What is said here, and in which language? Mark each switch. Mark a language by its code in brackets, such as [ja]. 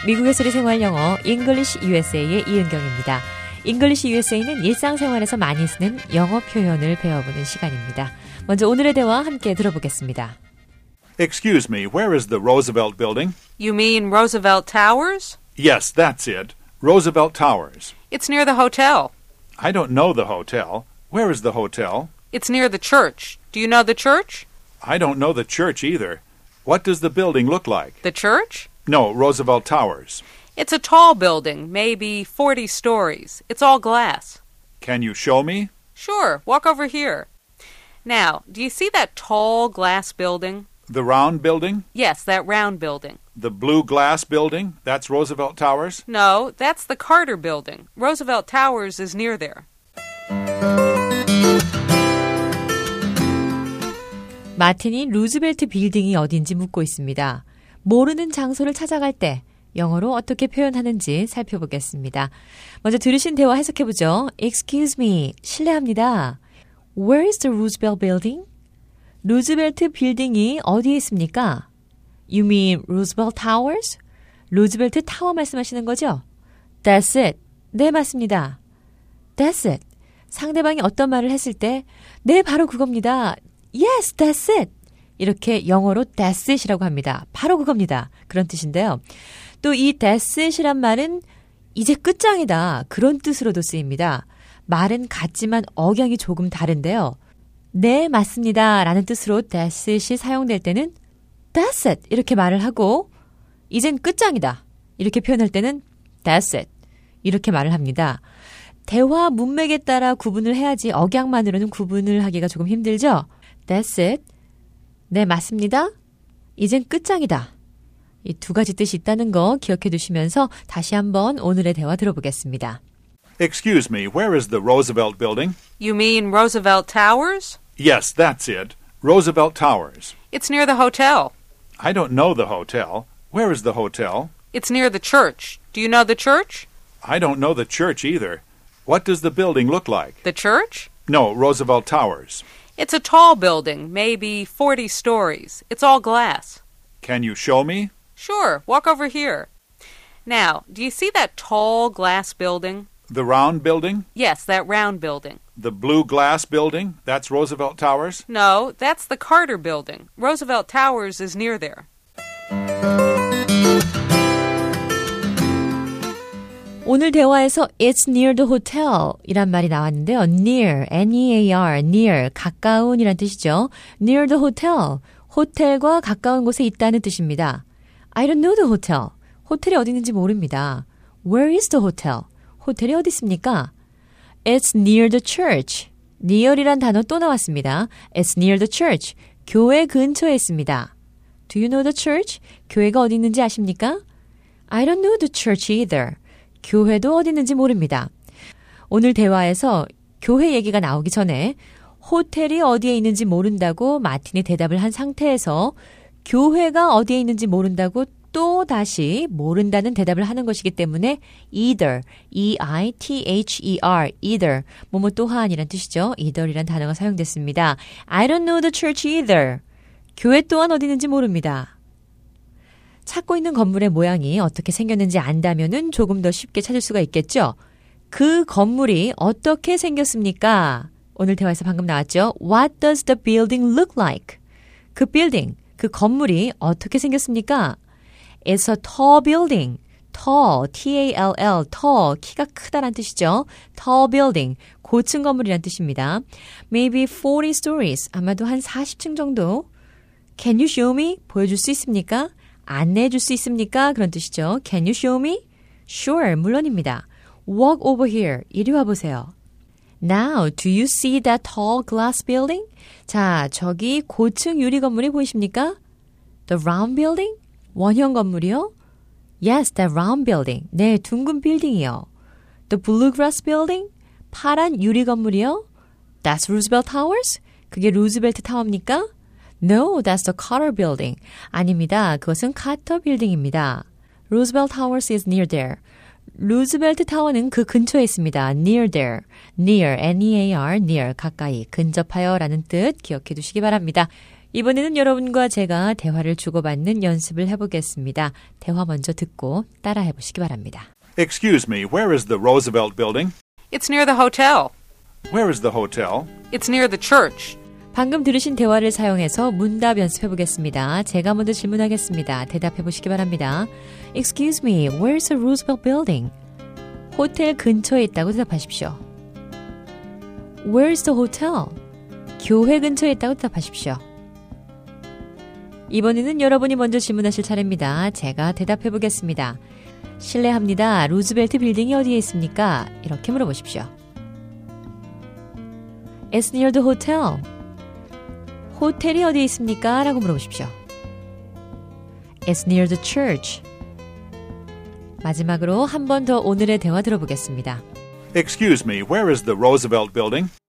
[ko] 미국에서의 생활 영어 English USA의 이은경입니다. English USA는 일상생활에서 많이 쓰는 영어 표현을 배워보는 시간입니다. 먼저 오늘의 대화 함께 들어보겠습니다. [en] Excuse me, where is the Roosevelt Building? You mean Roosevelt Towers? Yes, that's it. Roosevelt Towers. It's near the hotel. I don't know the hotel. Where is the hotel? It's near the church. Do you know the church? I don't know the church either. What does the building look like? The church? No, Roosevelt Towers. It's a tall building, maybe 40 stories. It's all glass. Can you show me? Sure, walk over here. Now, do you see that tall glass building? The round building? Yes, that round building. The blue glass building? That's Roosevelt Towers? No, that's the Carter building. Roosevelt Towers is near there. [ko] 마틴이 루즈벨트 빌딩이 어딘지 묻고 있습니다. 모르는 장소를 찾아갈 때 영어로 어떻게 표현하는지 살펴보겠습니다. 먼저 들으신 대화 해석해보죠. [en] Excuse me, [ko] 실례합니다. [en] Where is the Roosevelt Building? [ko] 루즈벨트 빌딩이 어디에 있습니까? [en] You mean Roosevelt Towers? [ko] 루즈벨트 타워 말씀하시는 거죠? [en] That's it. [ko] 네, 맞습니다. [en] That's it. [ko] 상대방이 어떤 말을 했을 때 네, 바로 그겁니다. [en] Yes, that's it. [ko] 이렇게 영어로 [en] that's it [ko] 이라고 합니다. 바로 그겁니다. 그런 뜻인데요. 또 이 that's it이란 말은 이제 끝장이다. 그런 뜻으로도 쓰입니다. 말은 같지만 억양이 조금 다른데요. 네, 맞습니다. 라는 뜻으로 [en] that's it [ko] 이 사용될 때는 that's it 이렇게 말을 하고 이젠 끝장이다. 이렇게 표현할 때는 [en] that's it [ko] 이렇게 말을 합니다. 대화 문맥에 따라 구분을 해야지 억양만으로는 구분을 하기가 조금 힘들죠. [en] That's it. [ko] 네, 맞습니다. 이젠 끝장이다. 이 두 가지 뜻이 있다는 거 기억해 두시면서 다시 한번 오늘의 대화 들어보겠습니다. [en] Excuse me, where is the Roosevelt Building? You mean Roosevelt Towers? Yes, that's it. Roosevelt Towers. It's near the hotel. I don't know the hotel. Where is the hotel? It's near the church. Do you know the church? I don't know the church either. What does the building look like? The church? No, Roosevelt Towers. It's a tall building, maybe 40 stories. It's all glass. Can you show me? Sure, walk over here. Now, do you see that tall glass building? The round building? Yes, that round building. The blue glass building? That's Roosevelt Towers? No, that's the Carter building. Roosevelt Towers is near there. [ko] 오늘 대화에서 [en] it's near the hotel [ko] 이란 말이 나왔는데요. [en] near, N-E-A-R, near, [ko] 가까운 이란 뜻이죠. [en] near the hotel, [ko] 호텔과 가까운 곳에 있다는 뜻입니다. [en] I don't know the hotel, [ko] 호텔이 어디 있는지 모릅니다. [en] Where is the hotel, [ko] 호텔이 어디 있습니까? [en] It's near the church, near이란 [ko] 단어 또 나왔습니다. [en] It's near the church, [ko] 교회 근처에 있습니다. [en] Do you know the church, [ko] 교회가 어디 있는지 아십니까? [en] I don't know the church either. [ko] 교회도 어디 있는지 모릅니다. 오늘 대화에서 교회 얘기가 나오기 전에 호텔이 어디에 있는지 모른다고 마틴이 대답을 한 상태에서 교회가 어디에 있는지 모른다고 또 다시 모른다는 대답을 하는 것이기 때문에 [en] either, E-I-T-H-E-R, either, [ko] 뭐뭐 또한이란 뜻이죠. either이란 단어가 사용됐습니다. [en] I don't know the church either. [ko] 교회 또한 어디 있는지 모릅니다. 찾고 있는 건물의 모양이 어떻게 생겼는지 안다면은 조금 더 쉽게 찾을 수가 있겠죠. 그 건물이 어떻게 생겼습니까? 오늘 대화에서 방금 나왔죠. [en] What does the building look like? [ko] 그 빌딩, 그 건물이 어떻게 생겼습니까? [en] It's a tall building. Tall, T-A-L-L, tall, [ko] 키가 크다란 뜻이죠. [en] Tall building, [ko] 고층 건물이란 뜻입니다. [en] Maybe 40 stories, [ko] 아마도 한 40층 정도. [en] Can you show me? [ko] 보여줄 수 있습니까? 안내해 줄 수 있습니까? 그런 뜻이죠. Can you show me? [en] Sure, [ko] 물론입니다. [en] Walk over here. [ko] 이리 와보세요. [en] Now, do you see that tall glass building? [ko] 자, 저기 고층 유리 건물이 보이십니까? [en] The round building? [ko] 원형 건물이요? [en] Yes, that round building. [ko] 네, 둥근 빌딩이요. [en] The blue glass building? [ko] 파란 유리 건물이요? [en] That's Roosevelt Towers? [ko] 그게 루즈벨트 타워입니까? [en] No, that's the Carter Building. [ko] 아닙니다. 그것은 카터 빌딩입니다. [en] Roosevelt Towers is near there. [ko] 루즈벨트 타워는 그 근처에 있습니다. [en] Near there. Near, N-E-A-R, near, [ko] 가까이, 근접하여 라는 뜻 기억해 두시기 바랍니다. 이번에는 여러분과 제가 대화를 주고받는 연습을 해보겠습니다. 대화 먼저 듣고 따라해보시기 바랍니다. [en] Excuse me, where is the Roosevelt building? It's near the hotel. Where is the hotel? It's near the church. [ko] 방금 들으신 대화를 사용해서 문답 연습해보겠습니다. 제가 먼저 질문하겠습니다. 대답해보시기 바랍니다. [en] Excuse me, where's the Roosevelt building? [ko] 호텔 근처에 있다고 대답하십시오. [en] Where's the hotel? [ko] 교회 근처에 있다고 대답하십시오. 이번에는 여러분이 먼저 질문하실 차례입니다. 제가 대답해보겠습니다. 실례합니다. 루즈벨트 빌딩이 어디에 있습니까? 이렇게 물어보십시오. [en] It's near the hotel. [ko] 호텔이 어디에 있습니까? 라고 물어보십시오. [en] It's near the church. [ko] 마지막으로 한 번 더 오늘의 대화 들어보겠습니다. [en] Excuse me, where is the Roosevelt building?